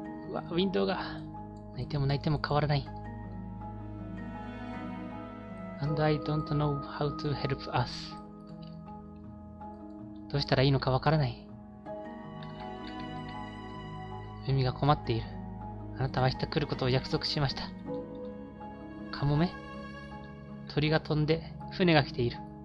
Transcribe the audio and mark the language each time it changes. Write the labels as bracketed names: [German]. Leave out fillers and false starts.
[Japanese] うわ、ウィンドウが。泣いても泣いても変わらない。 [English] And I don't know how to help us. [Japanese] どうしたらいいのかわからない。海が困っている。あなたは明日来ることを約束しました。カモメ？鳥が飛んで、船が来ている。